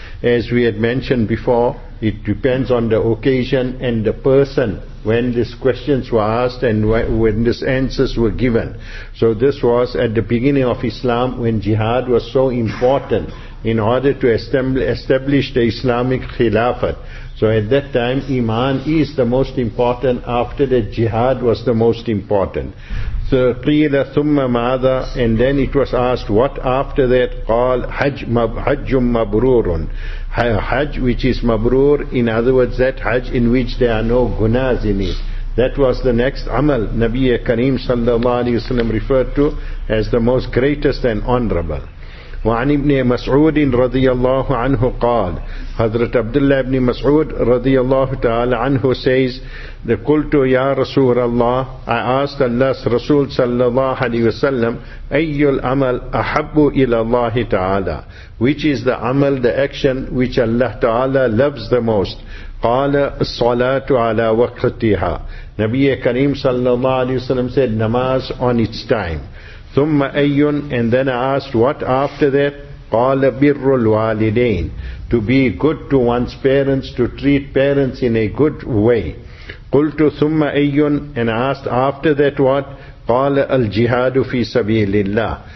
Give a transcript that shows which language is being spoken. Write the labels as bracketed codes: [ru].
[en] As we had mentioned before, it depends on the occasion and the person when these questions were asked and when these answers were given. So this was at the beginning of Islam, when jihad was so important in order to establish the Islamic Khilafat. So at that time, Iman is the most important. After that, jihad was the most important. [ar] So قِيلَ ثُمَّ مَعَذَا. [en] And then it was asked, what after that? [ar] قَالْ حَجٌّ مَبْرُورٌ. [en] Hajj, which is mabrur, in other words, that hajj in which there are no gunas in it. That was the next amal Nabi Kareem sallallahu alayhi wasallam referred to as the most greatest and honorable. [ar] وعن ابن مسعود رضي الله عنه قال حضرت عبد الله بن مسعود رضي الله تعالى عنه [en] says [ar] قلت يا رسول الله [en] I asked Allah's Rasul [ar] صلى الله عليه وسلم أي العمل أحب إلى الله تعالى, [en] which is the amal, the action which Allah Ta'ala loves the most. [ar] قال الصلاة على وقتها. نبي كريم صلى الله عليه وسلم [en] said namaz on its time. [ar] ثم أيٌ. [en] And then I asked, what after that? [ar] قال بر الوالدين, [en] to be good to one's parents, to treat parents in a good way. [ar] قلت ثم أيٌ. [en] And I asked, after that what? [ar] قال الجهاد في سبيل الله.